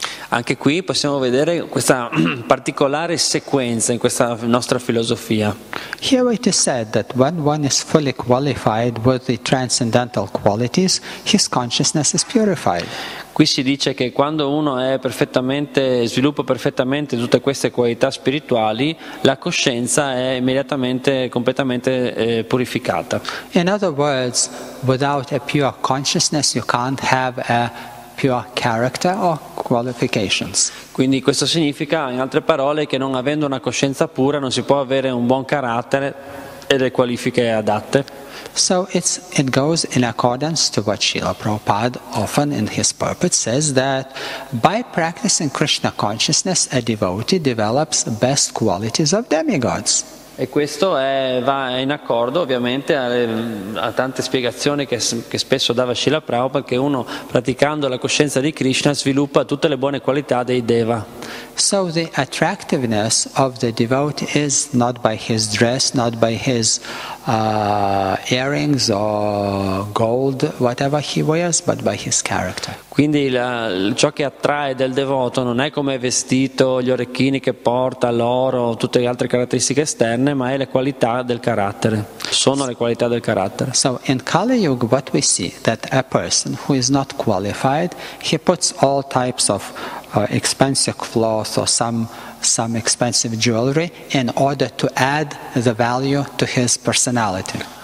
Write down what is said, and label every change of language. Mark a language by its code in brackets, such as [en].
[it] Anche qui possiamo vedere questa particolare sequenza in questa nostra filosofia. [en] Here it is said that when one is fully qualified with the transcendental qualities, his consciousness is purified. [it] Qui si dice che quando uno è perfettamente, sviluppa perfettamente tutte queste qualità spirituali, la coscienza è immediatamente, completamente purificata. [en] In other words, without a pure consciousness you can't have a pure character or qualifications. [it] Quindi questo significa, in altre parole, che non avendo una coscienza pura non si può avere un buon carattere e le qualifiche adatte. [en] So it goes in accordance to what Srila Prabhupada often in his purport says, that by practicing Krishna consciousness a devotee develops the best qualities of demigods. [it] E questo va in accordo ovviamente a tante spiegazioni che spesso dava Srila Prabhupada, che uno praticando la coscienza di Krishna sviluppa tutte le buone qualità dei Deva. [en] So the attractiveness of the devotee is not by his dress, not by his earrings or gold, whatever he wears, but by his character. [it] Quindi ciò che attrae del devoto non è come è vestito, gli orecchini che porta, l'oro, tutte le altre caratteristiche esterne, ma è le qualità del carattere. Sono le qualità del carattere. [en] So in Kali Yuga what we see, that a person who is not qualified, he puts all types of expensive cloth or some expensive jewelry in order to add the value to his personality.